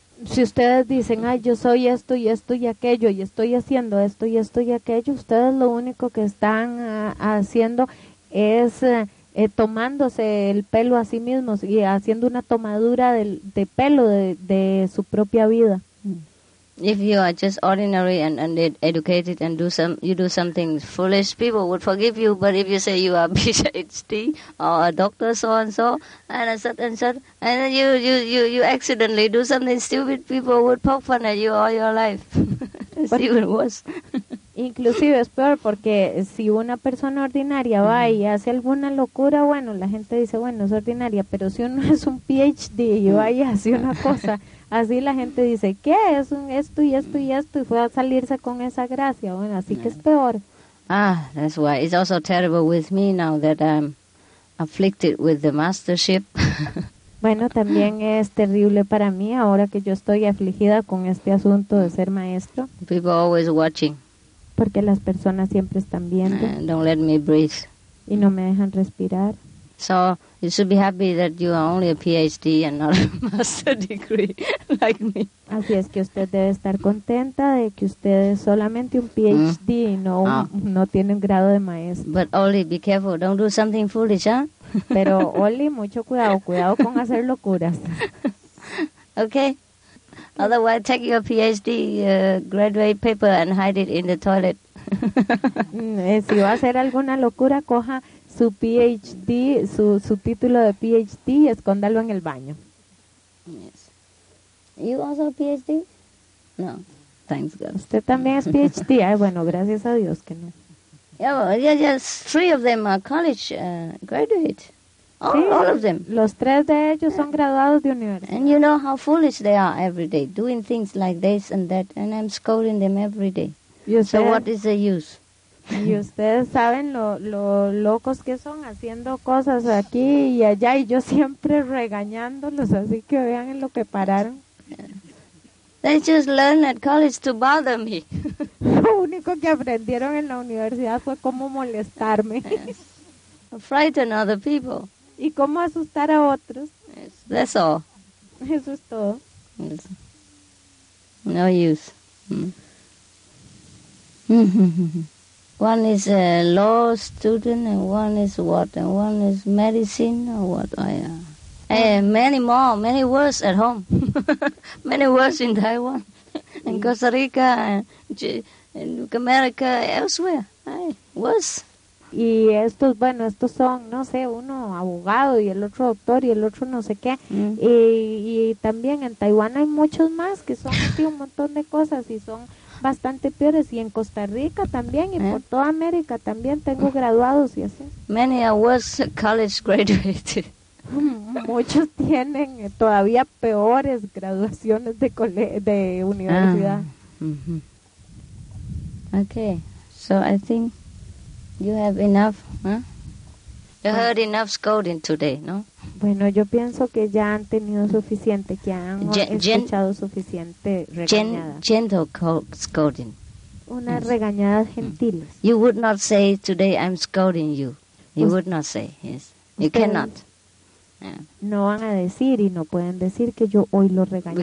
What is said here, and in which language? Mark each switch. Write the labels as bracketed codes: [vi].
[es] Si ustedes dicen, ay, yo soy esto y esto y aquello, y estoy haciendo esto y aquello, ustedes lo único que están haciendo es tomándose el pelo a sí mismos y haciendo una tomadura de pelo de su propia vida. [en] If you are just ordinary and educated and do something foolish, people would forgive you. But if you say you are a PhD or a doctor, so and so, and a certain sort, and then you accidentally do something stupid, people would poke fun at you all your life. It's but even worse. [es] Inclusive es peor porque si una persona ordinaria va y hace alguna locura, bueno, la gente dice, bueno, es ordinaria, pero si uno es un PhD y va y hace una cosa, así la gente dice, ¿qué? Es un esto y esto y esto y fue a salirse con esa gracia, bueno, así que es peor. [en] Ah, that's why it's also terrible with me now that I'm afflicted with the mastership. [es] Bueno, también es terrible para mí ahora que yo estoy afligida con este asunto de ser maestro. [en] People always watching. [es] Porque las personas siempre están viendo. [en] Don't let me breathe. [es] Y no me dejan respirar. [en] So you should be happy that you are only a PhD and not a master degree like me. [es] Así es que usted debe estar contenta de que usted es solamente un PhD y no tiene un grado de maestro. [en] But Oli, be careful. Don't do something foolish, huh? [es] Pero Oli, mucho cuidado. Cuidado con hacer locuras. [en] Okay. Otherwise, take your PhD graduate paper and hide it in the toilet. [es] Si va a hacer alguna locura, coja su PhD, su título de PhD y escóndalo en el baño. [en] Yes. You also PhD? No. Thanks God. [es] Usted también es PhD. Ay, bueno, gracias a Dios que no. [en] Yeah, well, yeah, just three of them are college graduate. All of them. [es] Los tres de ellos son graduados de universidad. [en] And you know how foolish they are every day, doing things like this and that, and I'm scolding them every day. So what is the use? [es] Y ustedes saben lo locos que son haciendo cosas aquí y allá, y yo siempre regañándolos, así que vean en lo que pararon. [en] They just learned at college to bother me. [es] Lo único que aprendieron en la universidad fue cómo molestarme. [en] frighten other people. [es] ¿Y cómo asustar a otros? [en] That's all. [es] Eso es todo. [en] Yes. No use. One is a law student, and one is what? And one is medicine, or what? I am. Many more, many worse at home. Many worse in Taiwan, in Costa Rica, and in America, elsewhere. Ay, worse. [es] Y estos, bueno, estos son, no sé, uno abogado y el otro doctor y el otro no sé qué. Y también en Taiwán hay muchos más que son así un montón de cosas y son bastante peores. Y en Costa Rica también y por toda América también tengo graduados y así. [en] Many are worse college graduated. [es] Muchos tienen todavía peores graduaciones de de universidad. [en] Okay, so I think you have enough, You heard enough scolding today, no? [es] Bueno, yo pienso que ya han tenido suficiente, que han escuchado suficiente regañadas. [en] Gentle scolding. [es] Unas regañadas gentiles. [en] You would not say today I'm scolding you. You would not say, yes. You cannot. [es] No van a decir y no pueden decir que yo hoy lo regañé.